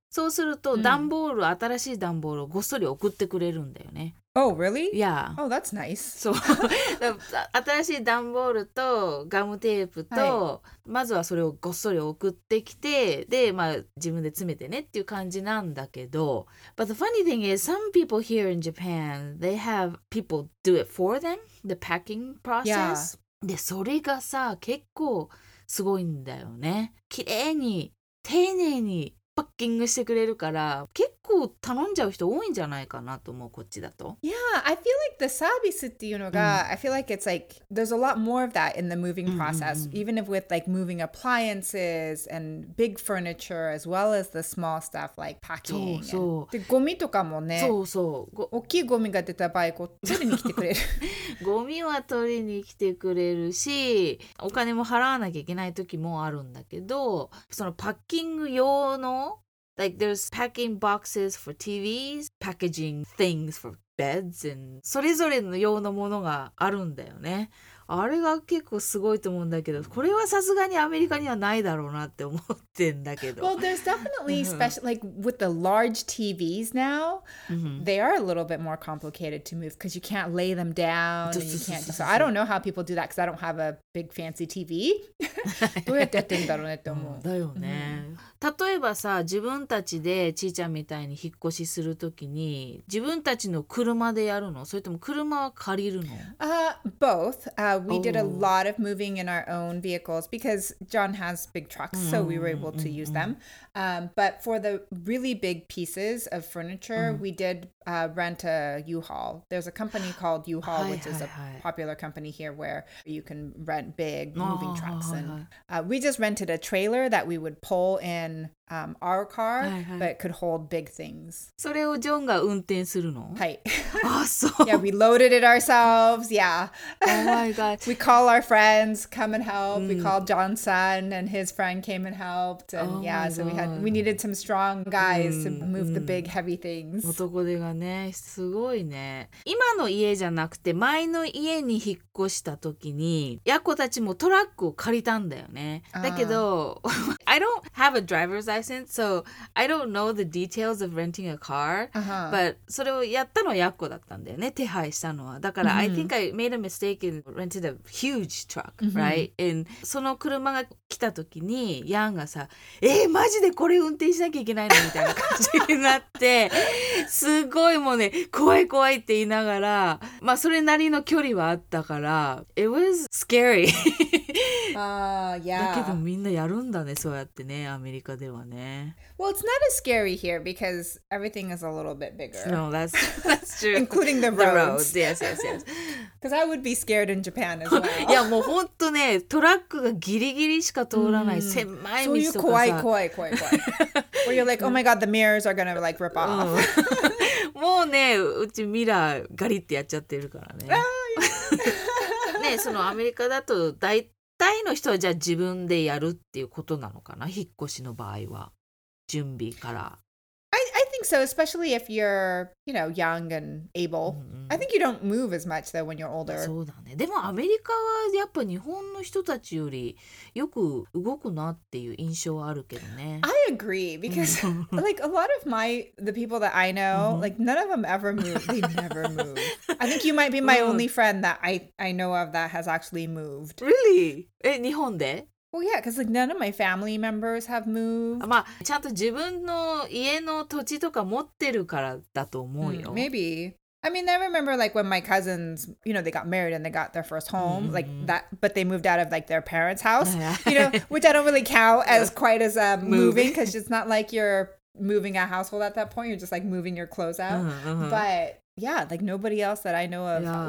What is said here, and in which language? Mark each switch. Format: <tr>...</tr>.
<ja>そうすると、段ボール、新しい段ボールをごっそり送ってくれるんだよね。</ja> <en>Oh, really? Yeah. Oh, that's nice.</en> <ja>そう。新しい段ボールとガムテープと、はい、まずはそれをごっそり送ってきて、で、まあ、自分で詰めてねっていう感じなんだけど。</ja> <en>But the funny thing is, some people here in Japan, they have people do it for them, the packing process.、 Yeah.</en> <ja>で、それがさ、結構すごいんだよね。綺麗に、丁寧にパッキングしてくれるから、結構頼んじゃう人多いんじゃないかなと思う、こっちだと。</ja> <en>Yeah, I feel like the service</en> <ja>っていうのが、</ja> <en>うん、I feel like it's like, there's a lot more of that in the moving process. うんうん、うん、even if with like moving appliances and big furniture, as well as the small stuff like packing.</en> <ja>そうそう。で、ゴミとかもね、そうそう。大きいゴミが出た場合、こう、取りに来てくれる。ゴミは取りに来てくれるし、お金も払わなきゃいけない時もあるんだけど、そのパッキング用の、</ja> <en>like there's packing boxes for TVs, packaging things for beds,</en> <ja>and それぞれの用のものがあるんだよね。あれが結構すごいと思うんだけど、これはさすがにアメリカにはないだろうなって思ってんだけど。</ja> <en>Well, there's definitely special, like with the large TVs now, they are a little bit more complicated to move because you can't lay them down and you can't. So I don't know how people do that because I don't have a big fancy TV.</en> <ja>どうやってやってんだろうねって思う。だよね。例えばさ、自分たちでちーちゃんみたいに引っ越しするときに、自分たちの車でやるの？それとも車は借りるの？</ja> <en>Both. We did a lot of moving in our own vehicles because John has big trucks, so we were able to use them. But for the really big pieces of furniture, we did rent a U-Haul. There's a company called U-Haul, which is a popular company here where you can rent big moving trucks. And we just rented a trailer that we would pull in our car, but could hold big things.</en> <ja>それをジョンが運転するの？はい。あ、そう。</ja> <en>Yeah, we loaded it ourselves. Yeah. Oh my god. We call our friends, come and help. We called John's son, and his friend came and helped. And yeah, so we needed some strong guys to move the big heavy things.</en> <ja>男手がね、すごいね。今の家じゃなくて前の家に引っ越した時に、ヤコたちもトラックを借りたんだよね。だけど、</ja> <en>I don't have a driver's license, so I don't know the details of renting a car.</en> <ja>But それをやったのはヤコだったんだよね、手配したのは。</ja> <en>だから、I think I made a mistake and rented a huge truck, right?</en> <ja>And その車が来た時に、ヤンがさ、マジでこれ運転しなきゃいけないのみたいな感じになって、すごいもうね、怖い怖いって言いながら、まあそれなりの距離はあったから、</ja> <en>It was scary. yeah.</en> <ja>だけどみんなやるんだね、そうやってね、アメリカではね。</ja> <en>Well, it's not as scary here because everything is a little bit bigger. No, that's true. Including the roads. Yes, yes, yes. Because I would be scared in Japan as well.</en> <ja>いやもう本当ね、トラックがギリギリしか通らない狭い道とかさ。そういう怖い怖い怖い怖い。</ja> <en>Where you're like, oh my god, the mirrors are gonna like rip off.</en> <ja>もうね、うちミラーガリってやっちゃってるからね。ね、そのアメリカだと大体の人はじゃあ自分でやるっていうことなのかな、引っ越しの場合は。準備から。</ja> <en>I think so, especially if you're, you know, young and able. I think you don't move as much though when you're older.</en> <ja>そうだね。でもアメリカはやっぱ日本の人たちよりよく動くなっていう印象はあるけどね。</ja> <en>I agree because like a lot of the people that I know, like none of them ever move. They never move. I think you might be my only friend that I know of that has actually moved. Really?</en> <ja>日本で？</ja> <en>Well, yeah, because like none of my family members have moved.</en> <ja>まあ、ちゃんと自分の家の土地とか持ってるからだと思うよ。</ja> <en>Maybe. I mean, I remember like when my cousins, you know, they got married and they got their first home, like that, but they moved out of like their parents' house, you know, which I don't really count as quite as moving because it's not like you're moving a household at that point. You're just like moving your clothes out. But yeah, like nobody else that I know of.</en>